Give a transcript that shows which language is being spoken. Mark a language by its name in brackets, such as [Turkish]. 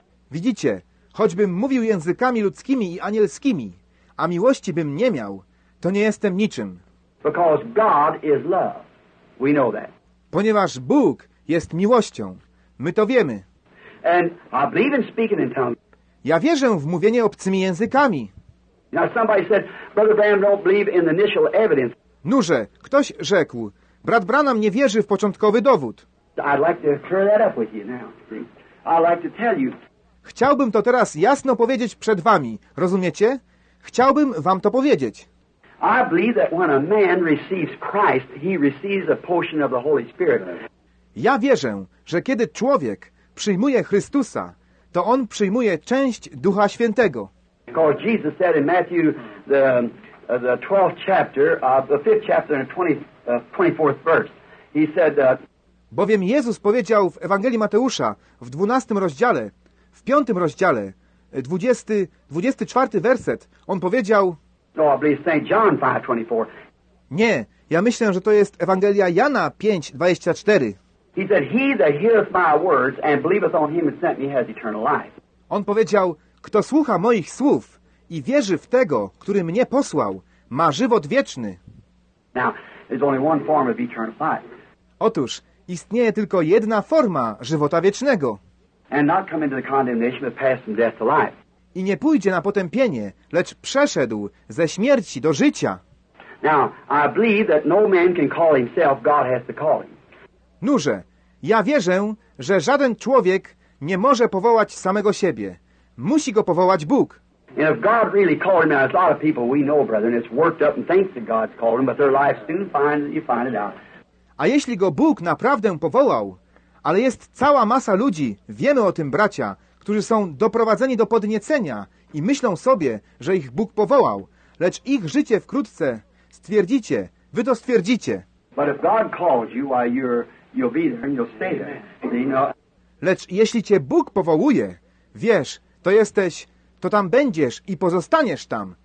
[Polish] Widzicie, choćbym mówił językami ludzkimi i anielskimi, a miłości bym nie miał, to nie jestem niczym. [English] Because God is love. We know that. [Polish] Ponieważ Bóg jest miłością. My to wiemy. [English] And I believe in speaking in tongues. [Polish] Ja wierzę w mówienie obcymi językami. [English] Now somebody said, Brother Branham don't believe in the initial evidence. [Polish] Noże, ktoś rzekł, brat Branham nie wierzy w początkowy dowód. [English] I'd like to clear that up with you now. I'd like to tell you. [Polish] Chciałbym to teraz jasno powiedzieć przed wami, rozumiecie? Chciałbym wam to powiedzieć. [English] I believe that when a man receives Christ, he receives a portion of the Holy Spirit. [Polish] Ja wierzę, że kiedy człowiek przyjmuje Chrystusa, to on przyjmuje część Ducha Świętego. [English] Because Jesus said in Matthew, the 12th chapter, the 5th chapter and the 24th verse, he said that... [Polish] Bowiem Jezus powiedział w Ewangelii Mateusza w 12 rozdziale, w 5 rozdziale, 24 werset, on powiedział... [English] No, I believe St. John 5:24. [Polish] Nie, ja myślę, że to jest Ewangelia Jana 5:24. [English] He said, he that heareth my words and believeth on him that sent me has eternal life. [Polish] On powiedział... Kto słucha moich słów i wierzy w Tego, który mnie posłał, ma żywot wieczny. [English] Now, there's only one form of eternal life. [Polish] Otóż, istnieje tylko jedna forma żywota wiecznego. [English] And not come into the condemnation, but pass from death to life. [Polish] I nie pójdzie na potępienie, lecz przeszedł ze śmierci do życia. [English] Now, I believe that no man can call himself, God has to call him. [Polish] Noże, ja wierzę, że żaden człowiek nie może powołać samego siebie. Musi go powołać Bóg. [English] And if God really called him, now there's a lot of people we know, brethren, it's worked up and thinks that God's called him, but their life soon finds you find it out. [Polish] A jeśli go Bóg naprawdę powołał, ale jest cała masa ludzi, wiemy o tym, bracia, którzy są doprowadzeni do podniecenia i myślą sobie, że ich Bóg powołał, lecz ich życie wkrótce stwierdzicie, wy to stwierdzicie. [English] But if God calls you, why you'll be there and you'll stay there. See, you know? [Polish] Lecz jeśli cię Bóg powołuje, wiesz, to jesteś, to tam będziesz i pozostaniesz tam.